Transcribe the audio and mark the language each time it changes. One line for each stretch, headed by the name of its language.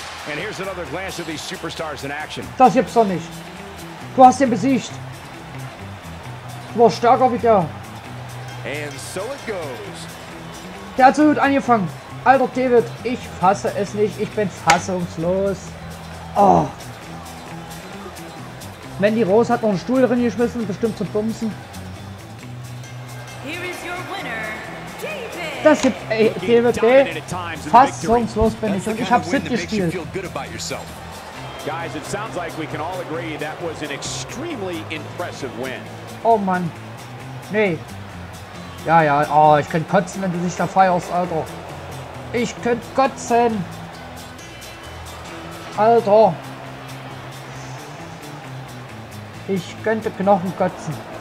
English: And here's another glance of these superstars in action.
German: Das gibt's doch nicht. Du hast den besiegt. Du warst stärker wie der.
English: And so it goes.
German: Der hat so gut angefangen. Alter David, ich fasse es nicht. Ich bin fassungslos. Oh. Mandy Rose hat noch einen Stuhl drin geschmissen, bestimmt zum Bumsen.
English: Here is your winner, David.
German: Das gibt, ey, David, ey. Fassungslos bin ich und ich habe Sid gespielt.
English: Guys, it sounds like we can all agree that was an extremely impressive win.
German: Oh Mann. Nee. Ja, ja. Oh, ich könnte kotzen, wenn du dich da feierst, Alter. Ich könnte kotzen. Alter. Ich könnte Knochen kotzen.